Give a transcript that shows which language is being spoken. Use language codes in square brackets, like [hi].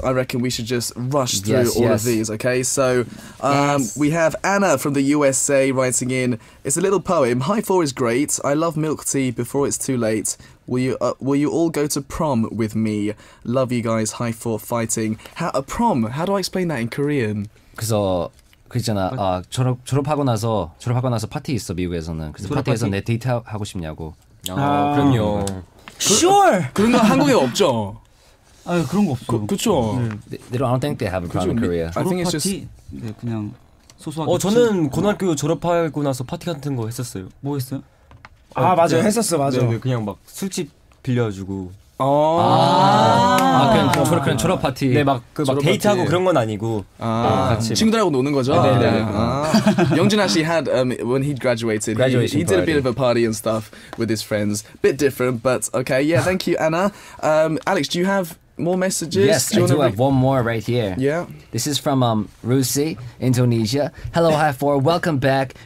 [en] I reckon we should just rush through all of these, okay? So, we have Anna from the USA writing in. It's a little poem. High 4 is great. I love milk tea before it's too late. Will you all go to prom with me? Love you guys. High 4 fighting. A prom? How do I explain that in Korean? [ko] 그래서 그 있잖아 아 졸업하고 나서 파티 있어 미국에서는 그래서 파티에서 내 데이트 하고 싶냐고 아 그럼요 [en] sure [ko] 그런 거 한국에 없죠 아 그런 거 없어 그쵸 [en] they don't think they have a prom in Korea [ko] 졸업 파티 네 그냥 소소하게 어 저는 고등학교 졸업하고 나서 파티 같은 거 했었어요 뭐 했어요 아 맞아 했었어 맞아 네 그냥 막 술집 빌려주고 아, 그냥 졸업 파티. 네, 막 그 막 데이트하고 그런 건 아니고 같이 친구들하고 노는 거죠. 네, 네. [en] 영준 actually had when he graduated. He did a bit of a party and stuff with his friends. Bit different, but okay. Yeah, thank you, Anna. Alex, do you have more messages? Yes, I do have one more right here. Yeah. This is from Rusi, Indonesia. Hello, High 4. Welcome back.